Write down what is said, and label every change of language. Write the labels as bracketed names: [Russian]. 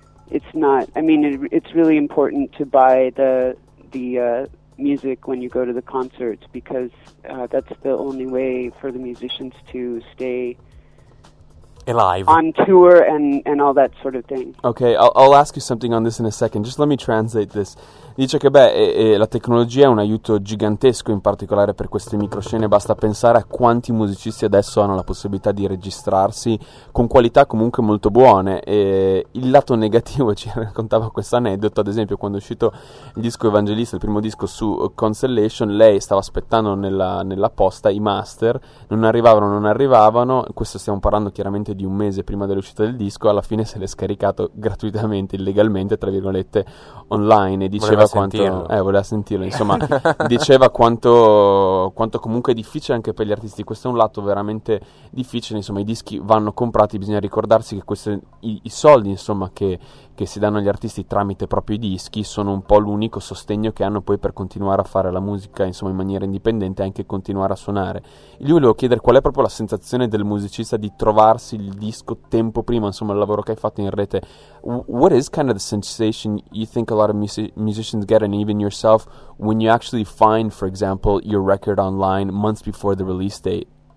[English] It's really important to buy the music when you go to the concerts, because that's the only way for the musicians to stay alive on tour and all that sort of thing. Okay, I'll ask you something on this in a second. Just let me translate this. [Italian] Dice che la tecnologia è un aiuto gigantesco, in particolare per queste microscene. Basta pensare a quanti musicisti adesso hanno la possibilità di registrarsi con qualità comunque molto buone. E il lato negativo, ci raccontava questo aneddoto, ad esempio quando è uscito il disco Evangelista, il primo disco su Constellation, lei stava aspettando nella posta i master, non arrivavano, questo stiamo parlando chiaramente di un mese prima dell'uscita del disco, alla fine se l'è scaricato gratuitamente, illegalmente, tra virgolette, online, e dice voleva sentirlo, insomma, diceva quanto comunque è difficile anche per gli artisti, questo è un lato veramente difficile, insomma, i dischi vanno comprati, bisogna ricordarsi che i soldi, insomma, che si danno agli artisti tramite proprio i dischi sono un po' l'unico sostegno che hanno poi per continuare a fare la musica, insomma, in maniera indipendente, anche continuare a suonare. Io volevo chiedere qual è proprio la sensazione del musicista di trovarsi il disco tempo prima, insomma, il lavoro che hai fatto in rete. [English] What is kind of the sensation you think a lot of musicians get, and even yourself, when you actually find, for example, your record online months before the release date?